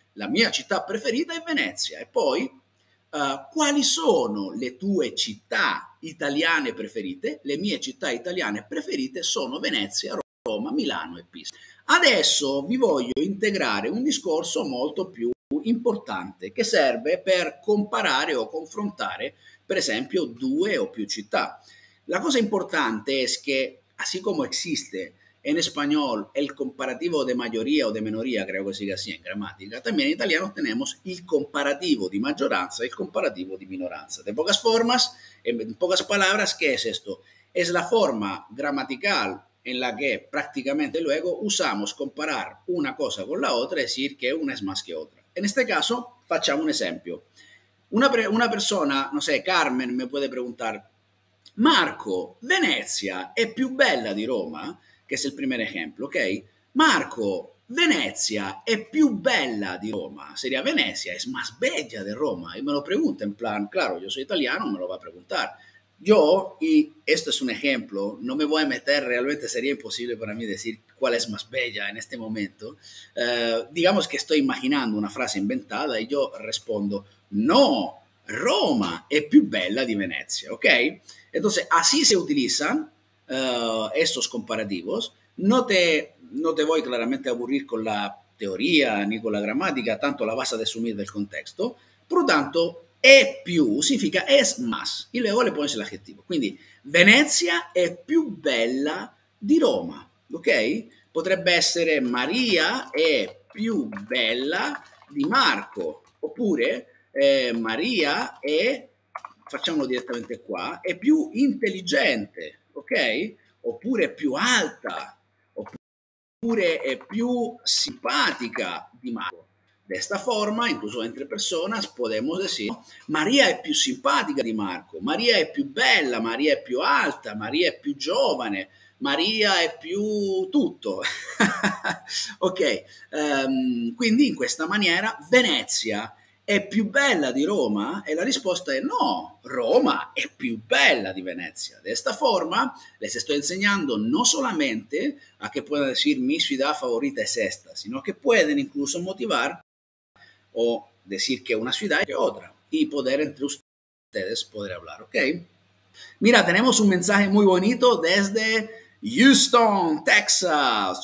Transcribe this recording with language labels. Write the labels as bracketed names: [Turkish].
[Italian] La mia città preferita è Venezia. E poi quali sono le tue città italiane preferite? Le mie città italiane preferite sono Venezia, Roma, Milano e Pisa. Adesso vi voglio integrare un discorso molto più importante che serve per comparare o confrontare, per esempio, due o più città. [Spanish] La cosa importante es que, así como existe en español el comparativo de mayoría o de minoría, creo que siga así en gramática, también en italiano tenemos el comparativo de mayoranza y el comparativo de minoranza. De pocas formas, en pocas palabras, ¿qué es esto? Es la forma gramatical en la que prácticamente luego usamos comparar una cosa con la otra y decir que una es más que otra. En este caso, [Italian] facciamo [Spanish] un ejemplo. Una persona, no sé, Carmen, me puede preguntar: Marco, [Italian] Venezia è più bella di Roma? Che è il primo esempio, ok? Marco, Venezia è più bella di Roma? [Spanish] Seria Venezia è más bella di Roma? E me lo pregunta in plan, claro, [Italian] io sono italiano, [Spanish] me lo va a preguntar. Yo, y esto es un ejemplo, no me voy a meter, realmente sería imposible para mí decir cuál es más bella en este momento. Digamos que estoy imaginando una frase inventada y yo respondo, no, [Italian] Roma è più bella di Venezia, [Spanish] ok? Entonces, así se utilizan estos comparativos. No te voy claramente a aburrir con la teoría ni con la gramática, tanto la vas a desumir del contexto. Por lo tanto, [Italian] è più [Spanish] significa es más. Y luego le pones el adjetivo. [Italian] Quindi, Venezia è più bella di Roma, [Spanish] ok? [Italian] Potrebbe essere Maria è più bella di Marco. Oppure Maria è, facciamolo direttamente qua, è più intelligente, ok? Oppure più alta, oppure è più simpatica di Marco. [Spanish] De esta forma, incluso entre personas, podemos decir [Italian] Maria è più simpatica di Marco, Maria è più bella, Maria è più alta, Maria è più giovane, Maria è più tutto. Ok, quindi in questa maniera Venezia è più bella di Roma? E la risposta è no, Roma è più bella di Venezia. [Spanish] De esta forma les estoy enseñando no solamente a que puedan decir mi ciudad favorita es esta, sino que pueden incluso motivar o decir que una ciudad es que otra y poder entre ustedes poder hablar, ¿ok? Mira, tenemos un mensaje muy bonito desde Houston, Texas.